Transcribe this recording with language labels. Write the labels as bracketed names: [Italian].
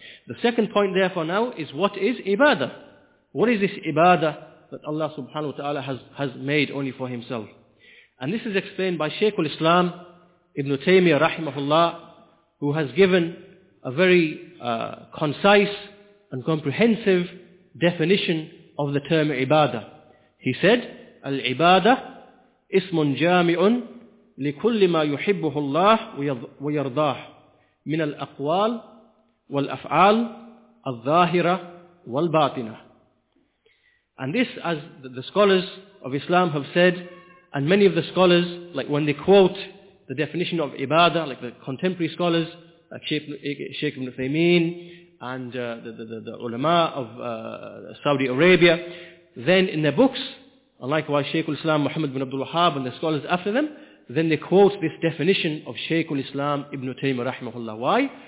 [English] The second point therefore now is, what is ibadah? What is this ibadah that Allah subhanahu wa ta'ala has made only for himself? And this is explained by Shaykh al-Islam Ibn Taymiyyah rahimahullah, who has given a very concise and comprehensive definition of the term ibadah. He said, [Arabic] al-ibadah ismun jami'un لكل ما يحبه الله ويرضاه من الأقوال والأفعال الظاهرة والباطنة. [English] And this, as the scholars of Islam have said, and many of the scholars, like when they quote the definition of ibadah, like the contemporary scholars, Sheikh Ibn Uthaymeen, and the ulama of Saudi Arabia, then in their books, and likewise Sheikh al-Islam Muhammad bin Abdul Wahhab and the scholars after them, then they quote this definition of Shaykh al-Islam Ibn Taymiyyah rahimahullah. Why?